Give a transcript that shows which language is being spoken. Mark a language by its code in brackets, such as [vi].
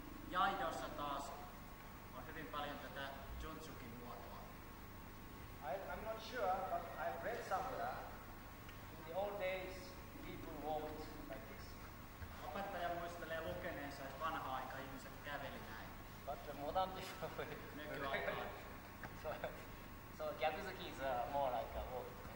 [fi] Jaidossa taas on hyvin paljon tätä Junzukin muotoa. [en] I'm not sure, but I've read somewhere in the old days people walked like this. [fi] Opettaja muistelee lukeneensa, että vanha aika ihmiset käveli näin. [en] But the modern people [fi] nykyaikaan. [en] So Gyakuzuki is more like a walk.